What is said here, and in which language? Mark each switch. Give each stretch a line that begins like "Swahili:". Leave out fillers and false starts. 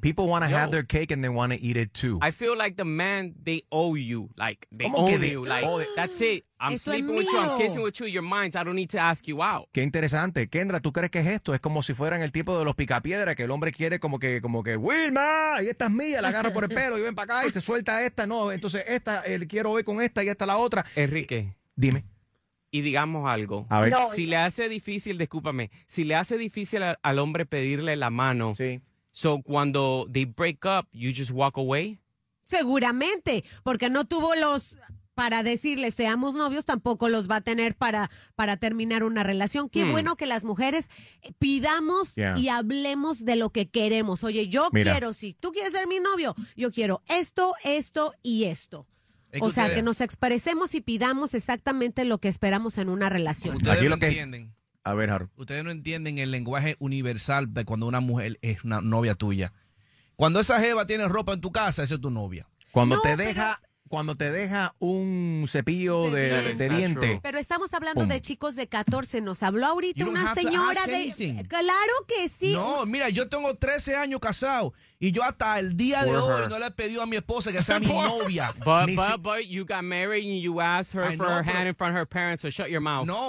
English: People want to have their cake and they want to eat it too. I feel like the man, they owe you. Like, they owe you. Like, that's it. I'm sleeping with you. I'm kissing with you. You're mine. So I don't need to ask you out.
Spanish: Qué interesante. Kendra, ¿tú crees que es esto? Es como si fueran el tipo de los picapiedras que el hombre quiere como que, Wilma, y esta es mía. La agarro por el pelo y ven para acá y te suelta esta. No, entonces esta, quiero ir con esta y esta la otra. Enrique. Dime. Y digamos algo. A ver. No, si le hace difícil, discúlpame, si le hace difícil al hombre pedirle la mano. Sí. So cuando they break up, you just walk away. Seguramente, porque no tuvo los para decirle seamos novios, tampoco los va a tener para terminar una relación. Qué bueno que las mujeres pidamos y hablemos de lo que queremos. Oye, si tú quieres ser mi novio, yo quiero esto, esto y esto. O sea, que nos expresemos y pidamos exactamente lo que esperamos en una relación. Ustedes no entienden. A ver, Harold. Ustedes no entienden el lenguaje universal de cuando una mujer es una novia tuya. Cuando esa jeva tiene ropa en tu casa, esa es tu novia. Cuando te deja un cepillo de diente. Pero estamos hablando de chicos de 14. Nos habló ahorita una señora de... Claro que sí. No, mira, yo tengo 13 años casado. Y yo hasta el día de hoy no le he pedido a mi esposa que sea mi novia.
English: But you got married and you asked her for her hand in front of her parents. So shut your mouth.